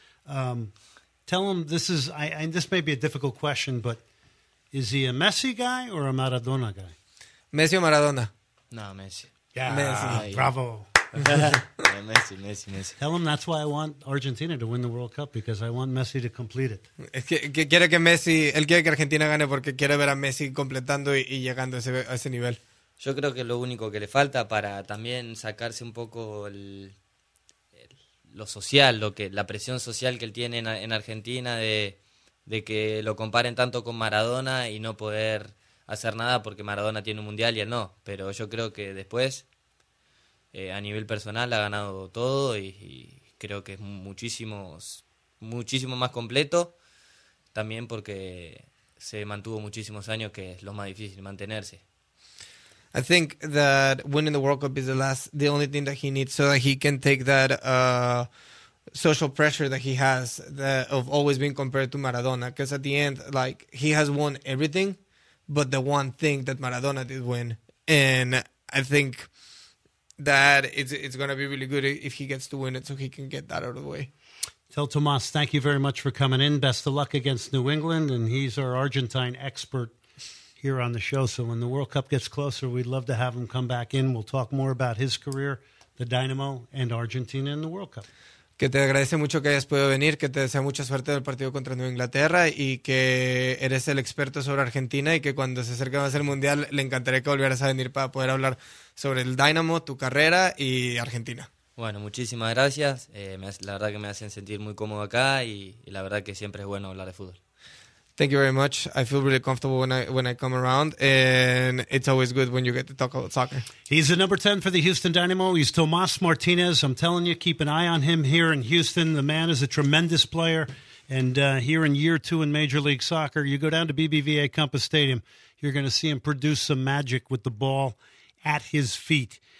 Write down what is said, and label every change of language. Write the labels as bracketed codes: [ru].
[en] Tell him this is, and this may be a difficult question, but is he a Messi guy or a Maradona guy? Messi or Maradona? No, Messi. Yeah, Messi. Bravo. Messi. Tell him that's why I want Argentina to win the World Cup, because I want Messi to complete it. [es] Quiere que Messi, él quiere que Argentina gane porque quiere ver a Messi completando y llegando a ese nivel. Yo creo que lo único que le falta para también sacarse un poco lo social, la presión social que él tiene en Argentina de que lo comparen tanto con Maradona y no poder hacer nada porque Maradona tiene un mundial y él no. Pero yo creo que después, a nivel personal, ha ganado todo y creo que es muchísimo más completo. También porque se mantuvo muchísimos años, que es lo más difícil, mantenerse. [en] I think that winning the World Cup is the only thing that he needs so that he can take that social pressure that he has of always being compared to Maradona. Because at the end, like, he has won everything, but the one thing that Maradona did win. And I think that it's going to be really good if he gets to win it so he can get that out of the way. Tell Tomás, thank you very much for coming in. Best of luck against New England. And he's our Argentine expert here on the show. So when the World Cup gets closer, we'd love to have him come back in. We'll talk more about his career, the Dynamo, and Argentina in the World Cup. [es] Que te agradece mucho que hayas podido venir, que te desea mucha suerte del partido contra Nueva Inglaterra y que eres el experto sobre Argentina y que cuando se acerque más el Mundial le encantaría que volvieras a venir para poder hablar sobre el Dynamo, tu carrera y Argentina. Bueno, muchísimas gracias. La verdad que me hacen sentir muy cómodo acá y la verdad que siempre es bueno hablar de fútbol. [en] Thank you very much. I feel really comfortable when I come around, and it's always good when you get to talk about soccer. He's the number 10 for the Houston Dynamo. He's Tomás Martínez. I'm telling you, keep an eye on him here in Houston. The man is a tremendous player. And here in year two in Major League Soccer, you go down to BBVA Compass Stadium, you're going to see him produce some magic with the ball at his feet.